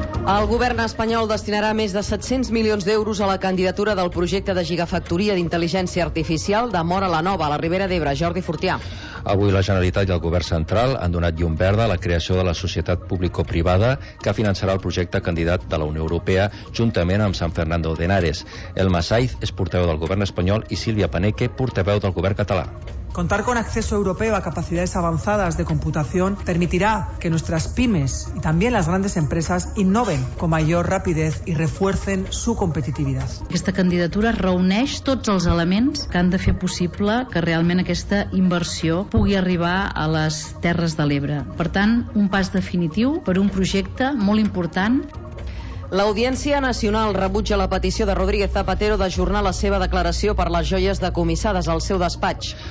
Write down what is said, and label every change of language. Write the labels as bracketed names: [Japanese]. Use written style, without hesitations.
[Catalan] El govern espanyol destinarà més de 700 milions d'euros a la candidatura del projecte de gigafactoria d'intel·ligència artificial de Móra la Nova, a la Ribera d'Ebre. Jordi Fortià. Avui la Generalitat i el govern central han donat llum verda a la creació de la societat público-privada que finançarà el projecte candidat de la Unió Europea juntament amb San Fernando de Henares. Elma Saiz és portaveu del govern espanyol i Sílvia Paneque, portaveu del govern català. [Spanish] Contar con acceso europeo a capacidades avanzadas de computación permitirá que nuestras pymes y también las grandes empresas innoven con mayor rapidez y refuercen su competitividad. [Catalan] Aquesta candidatura reuneix tots els elements que han de fer possible que realment aquesta inversió pugui arribar a les Terres de l'Ebre. Per tant, un pas definitiu per un projecte molt important. L'Audiència Nacional rebutja la petició de Rodríguez Zapatero d'ajornar la seva declaració per les joies decomissades al seu despatx.